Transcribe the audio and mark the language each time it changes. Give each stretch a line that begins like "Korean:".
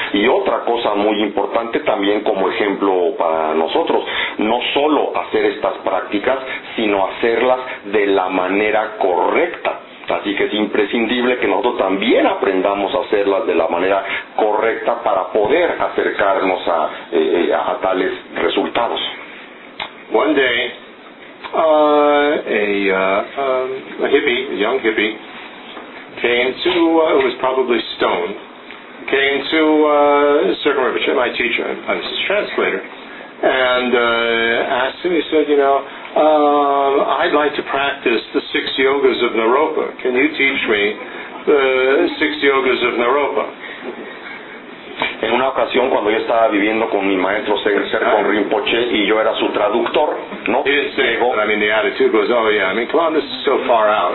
Spanish: Y otra cosa muy importante también como ejemplo para nosotros, no solo hacer estas prácticas, sino hacerlas de la manera correcta. Así que es imprescindible que nosotros también aprendamos a hacerlas de la manera correcta para poder acercarnos a tales resultados.
English: One day, a hippie, a young hippie, came to, who was probably stoned, came to Sirkin Rinpoche, my teacher, I'm his translator, and asked him, he said, you know, I'd like to practice the six yogas of Naropa. Can you teach me the six yogas of Naropa?
Spanish: En una ocasión, cuando yo estaba viviendo con mi maestro Sergon Rinpoche, y yo era su traductor, ¿no?
English: He didn't say, but I mean, the attitude was, oh yeah, I mean, come on, this is so far out.